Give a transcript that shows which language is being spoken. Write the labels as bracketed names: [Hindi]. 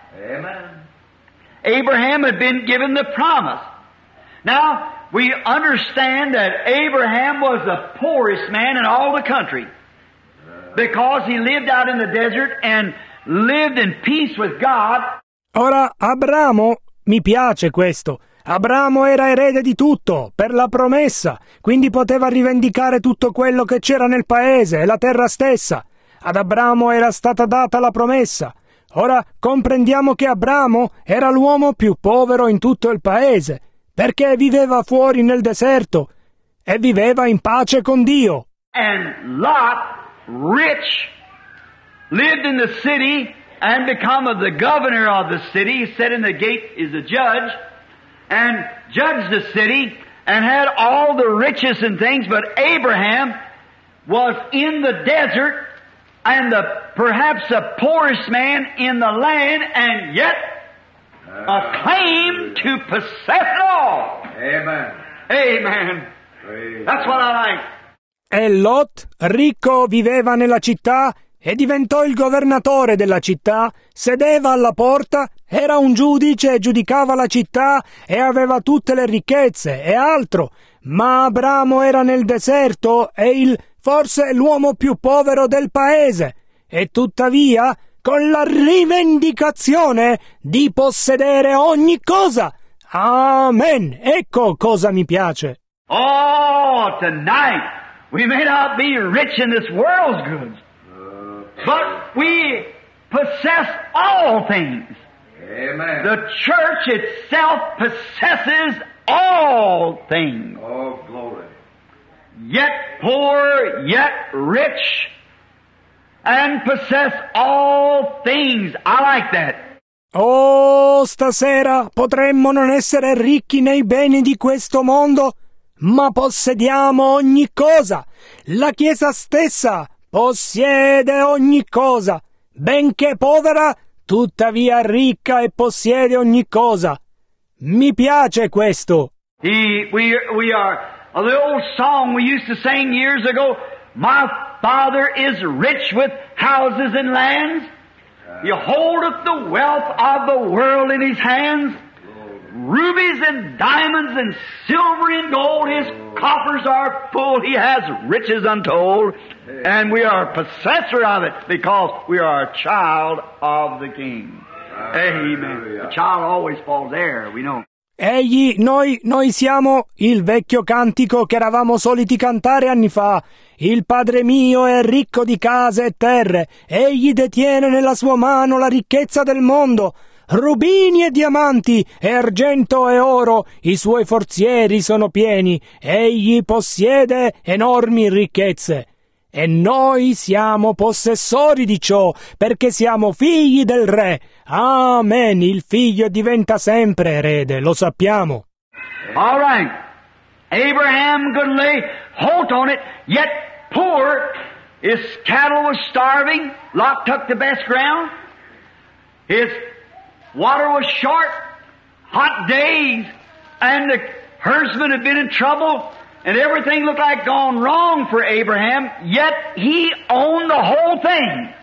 [English] Amen. Abraham had been given the promise. Now, we understand that Abraham was the poorest man in all the country because he lived out in the desert and lived in peace with God. [Italian] Ora, Abramo, mi piace questo. Abramo era erede di tutto, per la promessa, quindi poteva rivendicare tutto quello che c'era nel paese e la terra stessa. Ad Abramo era stata data la promessa. Ora comprendiamo che Abramo era l'uomo più povero in tutto il paese, perché viveva fuori nel deserto e viveva in pace con Dio. [English] And Lot, rich, lived in the city and become of the governor of the city, set in the gate is a judge, and judged the city and had all the riches and things, but Abraham was in the desert. And the perhaps the poorest man in the land, and yet a claim to possess it all. Amen. Amen. That's what I like. [Italian] E Lot, ricco, viveva nella città e diventò il governatore della città, sedeva alla porta, era un giudice e giudicava la città e aveva tutte le ricchezze e altro. Ma Abramo era nel deserto e il forse l'uomo più povero del paese, e tuttavia con la rivendicazione di possedere ogni cosa. Amen. Ecco cosa mi piace. [English] Oh, tonight we may not be rich in this world's goods, but we possess all things. Amen. The church itself possesses all things. Oh, glory. Yet poor, yet rich, and possess all things. I like that. [Italian] Oh, stasera potremmo non essere ricchi nei beni di questo mondo, ma possediamo ogni cosa. La Chiesa stessa possiede ogni cosa, benché povera, tuttavia ricca e possiede ogni cosa. Mi piace questo. [English] We are... The old song we used to sing years ago, my father is rich with houses and lands. He holdeth the wealth of the world in his hands. Rubies and diamonds and silver and gold, his coffers are full. He has riches untold, and we are possessor of it because we are a child of the King. Amen. The child always falls heir, we know. [Italian] Egli, noi siamo il vecchio cantico che eravamo soliti cantare anni fa. Il padre mio è ricco di case e terre. Egli detiene nella sua mano la ricchezza del mondo. Rubini e diamanti, e argento e oro, i suoi forzieri sono pieni. Egli possiede enormi ricchezze. E noi siamo possessori di ciò, perché siamo figli del re. Amen. Il figlio diventa sempre erede, lo sappiamo. [English] All right. Abraham could lay hold on it, yet poor, his cattle was starving, Lot took the best ground, his water was short, hot days, and the herdsmen had been in trouble, and everything looked like gone wrong for Abraham, yet he owned the whole thing.